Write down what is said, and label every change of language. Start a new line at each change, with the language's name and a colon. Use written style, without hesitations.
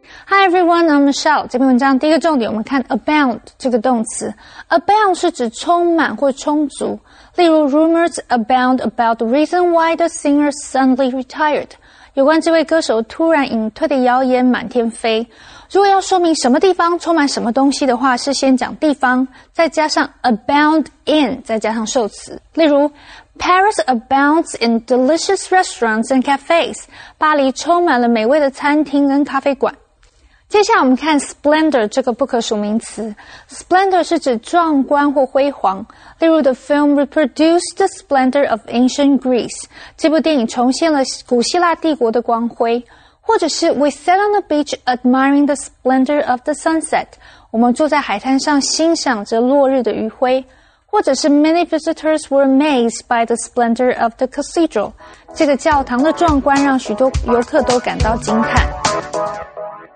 English: Hi everyone, I'm Michelle.
Chinese: 这篇文章第一个重点，我们看 abound 这个动词。 abound 是指充满或充足。例如
English: rumors abound about the reason why the singer suddenly retired.
Chinese: 有关这位歌手突然隐退的谣言满天飞。如果要说明什么地方充满什么东西的话，是先讲地方，再加上 abound in, 再加上受词。例如
English: Paris abounds in delicious restaurants and cafes.
Chinese: 巴黎充满了美味的餐厅跟咖啡馆。接下来我们看 splendor 这个不可数名词。splendor 是指壮观或辉煌。例如
English: the film reproduced the splendor of ancient Greece.
Chinese: 这部电影重现了古希腊帝国的光辉。或者是
English: we sat on the beach admiring the splendor of the sunset.
Chinese: 我们坐在海滩上欣赏着落日的余晖。或者是
English: many visitors were amazed by the splendor of the cathedral.
Chinese: 这个教堂的壮观让许多游客都感到惊叹。